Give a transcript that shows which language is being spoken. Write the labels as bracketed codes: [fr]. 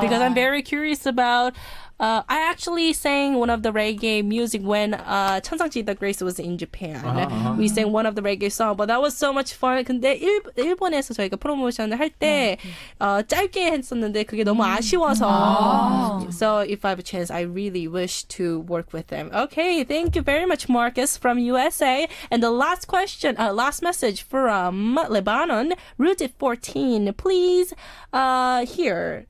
[en] Because I'm very curious about I actually sang one of the reggae music when 천상지 the Grace was in Japan. Uh-huh. We sang one of the reggae song, but that was so much fun. [ko] 근데 일본에서 저희가 프로모션을 할 때 짧게 했었는데 그게 너무 아쉬워서. [en] So if I have a chance, I really wish to work with them. Okay, thank you very much, Marcus from USA. And the last question, last message from Lebanon, Route 14, please here.